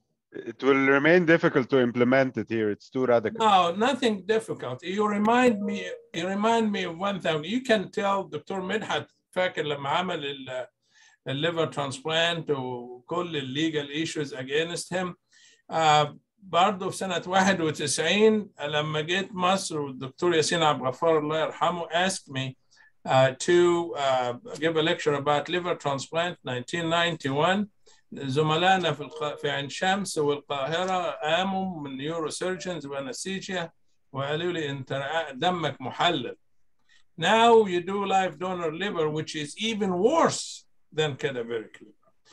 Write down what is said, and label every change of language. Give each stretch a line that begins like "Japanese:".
English: It will remain difficult to implement it here. It's too radical. No, nothing difficult. You remind me of one thing. You can tell Dr. Medhat,
Arabic: فاكر لما عمل
English: liver transplant
Arabic: وكل
English: legal issues against him.
Arabic: برضه في سنة 91 لما جيت مصر والدكتور ياسين عبد الغفار الله يرحمه
English: asked me to give a lecture about liver transplant
Arabic: 1991. زملائنا في عين شمس والقاهرة قاموا من neurosurgeons وانستيجيا وقالوا لي انت دمك محلل.
English: Now you do live donor liver, which is even worse than cadaveric liver.